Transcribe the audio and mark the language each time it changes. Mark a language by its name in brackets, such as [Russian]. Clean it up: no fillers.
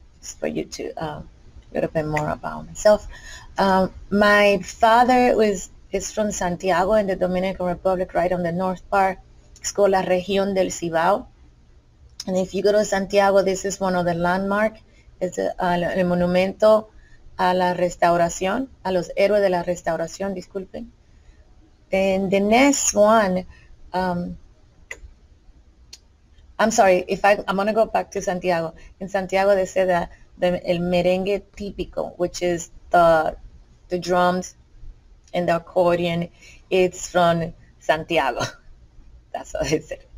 [English] Just for you to get a bit more about myself. My father was. It's from Santiago in the Dominican Republic, right on the north part. It's called La Región del Cibao. And if you go to Santiago, this is one of the landmarks. [Spanish] El monumento a la restauración, a los héroes de la restauración, disculpen. [English] And the next one, I'm sorry, I'm going to go back to Santiago. In Santiago, they say that [Spanish] el merengue típico, [English] which is the drums and the accordion, it's from Santiago. That's what they said.